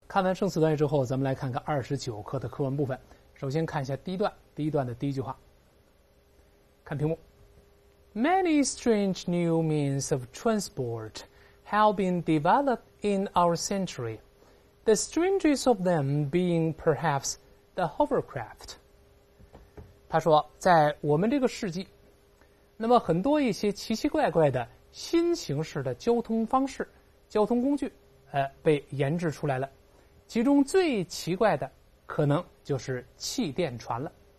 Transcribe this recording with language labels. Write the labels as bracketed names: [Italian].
[Chinese] 看完生词短语之后，咱们来看看29课的课文部分。首先看一下第一段，第一段的第一句话。看屏幕。 [English] Many strange new means of transport have been developed in our century. The strangest of them being perhaps the hovercraft. [Chinese] 他说，在我们这个世纪，那么很多一些奇奇怪怪的新形式的交通方式、交通工具，被研制出来了。其中最奇怪的可能就是气垫船了。